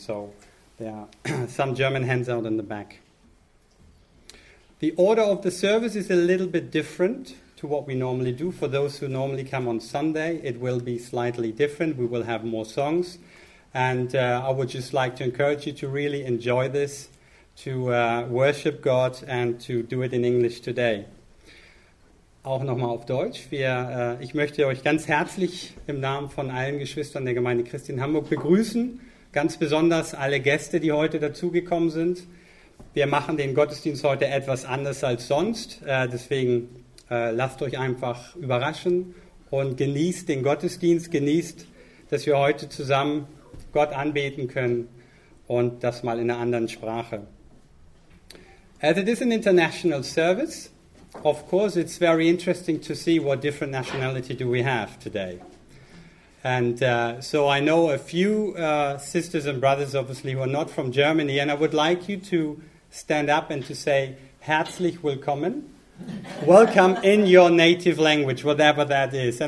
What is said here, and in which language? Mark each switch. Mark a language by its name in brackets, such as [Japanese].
[English] So there are some German handouts in the back. The order of the service is a little bit different to what we normally do. For those who normally come on Sunday, it will be slightly different. We will have more songs. And I would just like to encourage you to really enjoy this, to worship God and to do it in English today. [German] Auch nochmal auf Deutsch. Ich möchte euch ganz herzlich im Namen von allen Geschwistern der Gemeinde Christi in Hamburg begrüßen. Ganz besonders alle Gäste, die heute dazugekommen sind. Wir machen den Gottesdienst heute etwas anders als sonst. Deswegen lasst euch einfach überraschen und genießt den Gottesdienst. Genießt, dass wir heute zusammen Gott anbeten können und das mal in einer anderen Sprache. [English] As it is an international service, of course, it's very interesting to see what different nationality do we have today. And so I know a few sisters and brothers, obviously, who are not from Germany, and I would like you to stand up and to say, [German] herzlich willkommen, [English] welcome in your native language, whatever that is.